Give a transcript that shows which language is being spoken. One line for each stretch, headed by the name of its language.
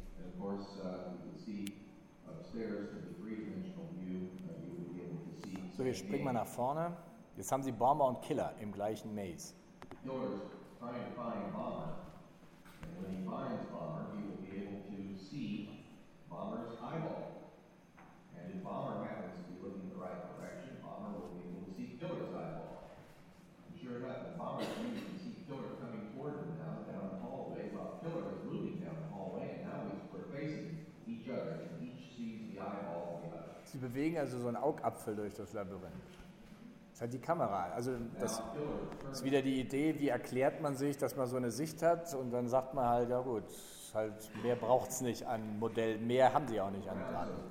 English: And of course, you can see upstairs to the three-dimensional view that you would be able to see.
German: So hier springen wir nach vorne. Jetzt haben Sie Bomber und Killer im gleichen Maze.
English: Yours trying to find Bomber. And when he finds Bomber, he will be able to see Bomber's eyeball. And if Bomber happens to be looking in the right direction, Bomber will be able to see Killer's eyeball. And sure enough, if Bomber sees, you see Killer coming toward him now down the hallway. Well, Killer is moving down the hallway, and now we're facing each other, and each sees the eyeball of the other.
German: Sie bewegen also so einen Augapfel durch das Labyrinth. Das ist halt die Kamera. Also das ist wieder die Idee, wie erklärt man sich, dass man so eine Sicht hat und dann sagt man halt, ja gut, halt mehr braucht es nicht an Modell, mehr haben sie auch nicht an dran.